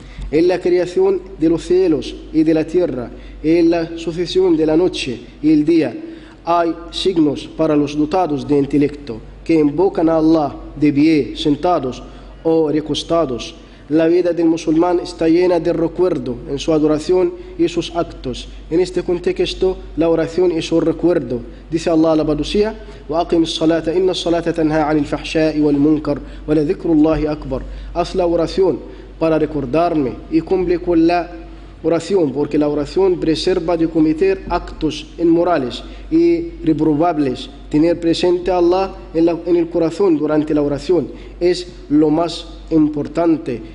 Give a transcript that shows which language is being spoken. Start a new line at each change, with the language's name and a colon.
Spanish: En la creación de los cielos y de la tierra, en la sucesión de la noche y el día, hay signos para los dotados de intelecto que invocan a Allah de pie, sentados o recostados. La vida del musulmán está llena de recuerdo en su adoración y sus actos. En este contexto, la oración es un recuerdo. Dice Allah la Badusia:
Arabic: وَأَقِمِ الصَّلَاةَ إِنَّ الصَّلَاةَ تَنْهَى عَنِ الْفَحْشَاءِ وَالْمُنْكَرِ وَلَذِكْرُ اللَّهِ أَكْبَرُ.
Spanish: Haz la oración para recordarme y cumple con la oración, porque la oración preserva de cometer actos inmorales y reprobables. Tener presente a Allah en el corazón durante la oración es lo más importante.